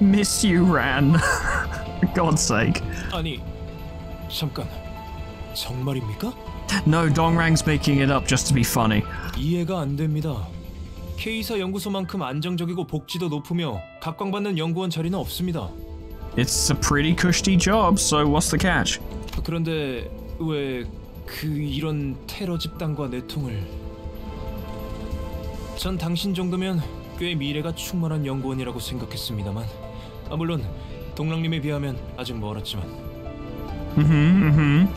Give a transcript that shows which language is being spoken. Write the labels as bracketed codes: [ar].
[en] Miss you, Ran. God's sake. [ko] 아니, 잠깐, 정말입니까? [en] No, Dong Rang's making it up just to be funny. [ko] 이해가 안 됩니다. K사 연구소만큼 안정적이고 복지도 높으며 각광받는 연구원 자리는 없습니다. [en] It's a pretty cushy job, so what's the catch? [ko] 그런데 왜 그 이런 테러 집단과 내통을? 전 당신 정도면 꽤 미래가 충만한 연구원이라고 생각했습니다만, 아 물론 동랑님에 비하면 아직 멀었지만.